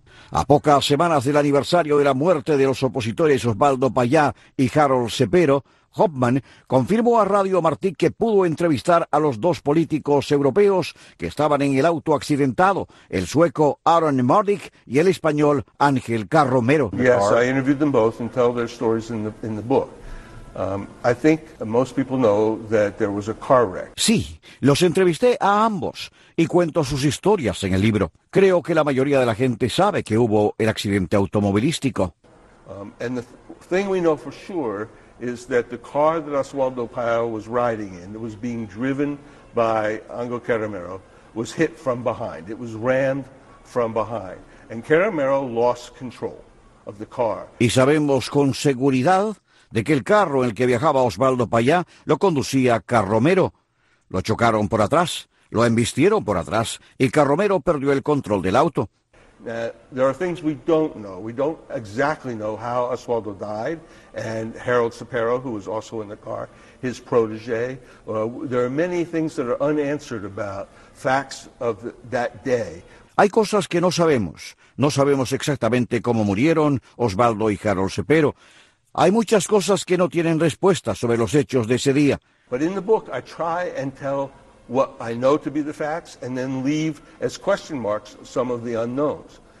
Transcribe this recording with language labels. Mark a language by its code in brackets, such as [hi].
[es] A pocas semanas del aniversario de la muerte de los opositores Osvaldo Payá y Harold Cepero, Hoffman confirmó a Radio Martí que pudo entrevistar a los dos políticos europeos que estaban en el auto accidentado, el sueco Aaron Mordick y el español Ángel Carromero. [en] Yes, I interviewed them both and tell their stories in the book. I think most people know that there was a car wreck. [es] Sí, los entrevisté a ambos y cuento sus historias en el libro. Creo que la mayoría de la gente sabe que hubo el accidente automovilístico. [en] And the thing we know for sure is that the car that Oswaldo Payá was riding in, that was being driven by Ángel Carromero, was hit from behind. It was rammed from behind. And Carromero lost control of the car. [es] Y sabemos con seguridad de que el carro en el que viajaba Oswaldo Payá lo conducía Carromero. Lo chocaron por atrás, lo embistieron por atrás, y Carromero perdió el control del auto. [en] There are things we don't know. We don't exactly know how Oswaldo died, and Harold Cepero, who was also in the car, his protege. There are many things that are unanswered about facts of that day. [es] Hay cosas que no sabemos. No sabemos exactamente cómo murieron Oswaldo y Harold Cepero. Hay muchas cosas que no tienen respuesta sobre los hechos de ese día. [en] But in the book, I try and tell what I know to be the facts and then leave as question marks some of the unknowns.